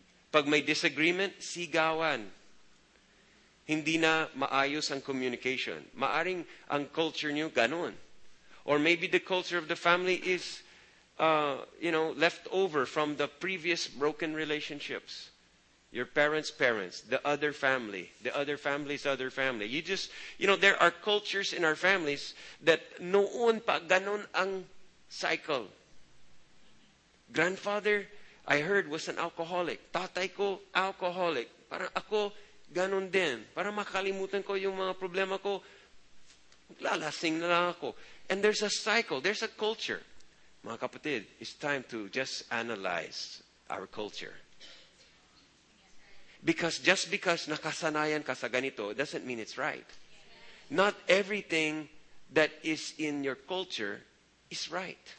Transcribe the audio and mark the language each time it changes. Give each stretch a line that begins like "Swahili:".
Filipino: Pag may disagreement, sigawan. Hindi na maayos ang communication. Maaring ang culture niyo ganun.
English: Or maybe the culture of the family is, you know, left over from the previous broken relationships. Your parents' parents, the other family, the other family's other family. You just, you know, there are cultures in our families that
Filipino: noon pa ganun ang
English: cycle. Grandfather, I heard, was an alcoholic.
Filipino: Tatay ko, alcoholic. Parang ako, ganun din. Para makalimutan ko yung mga problema ko, lalasing na lang ako.
English: And there's a cycle, there's a culture.
Filipino: Mga kapatid,
English: it's time to just analyze our culture. Because just because
Filipino: nakasanayan ka sa ganito,
English: doesn't mean it's right. Not everything that is in your culture is right.